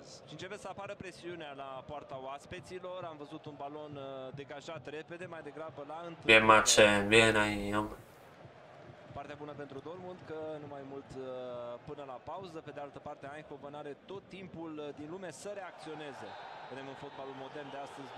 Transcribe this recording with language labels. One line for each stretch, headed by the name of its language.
Romanian: Începe să apară presiunea la poarta oaspeților. Am văzut un balon degajat repede, mai degrabă la întâi.
Spanish: Bien, Mace, bien ahí, hombre.
Romanian: Partea bună pentru Dortmund, că nu mai mult până la pauză. Pe de altă parte, Eindhoven are tot timpul din lume să reacționeze. Vedem în fotbalul modern de astăzi.